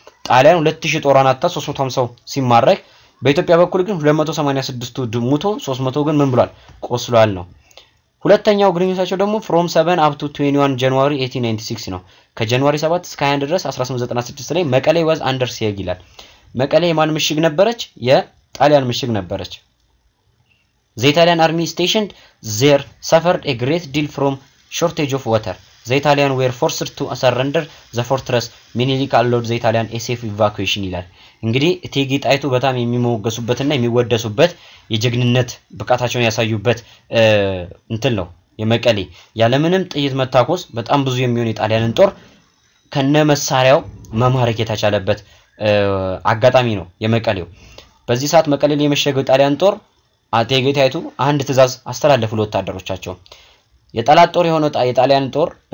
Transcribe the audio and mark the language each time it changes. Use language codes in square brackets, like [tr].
[am] ጣሊያን 2000 ጦራን አጣ 350 ሲማረክ በኢትዮጵያ በኩል ግን 286ቱ ድሙቶ 300 ግን ምን ብሏል ቆስሏል ነው። ሁለተኛው ግሪኒሳቸው ደግሞ [en] from 7 up to 21 January 1896 [am] ነው። ከጃንዋሪ 7 እስከ 21 ድረስ 1896 ላይ መቀሌ [en] was under siege [am] ይላል። መቀሌ የማን ምሽግ ነበረች? የጣሊያን ምሽግ ነበረች። [en] The Italian army stationed there suffered a great deal from shortage of water. The Italian were forced to surrender the fortress. Minilik allowed the Italian a safe evacuation [am] ይላል። እንግዲህ እቴጌ ጣይቱ በጣም የሚሞገሱበትና የሚወደሱበት የጀግንነት ብቃታቸውን ያሳዩበት እንትል ነው የመቀሌ። ያለምንም ጥይት መታኮስ በጣም ብዙ የሚሆን የጣሊያንን ጦር ከነ መሳሪያው መማረክ የታቻለበት አጋጣሚ ነው የመቀሌው። በዚህ ሰዓት መቀሌ ላይ የመሸገው የጣሊያን ጦር እቴጌ ጣይቱ አንድ ትዕዛዝ አስተላለፉ ለወታደሮቻቸው። የጣላት ጦር የሆነው የጣሊያን ጦር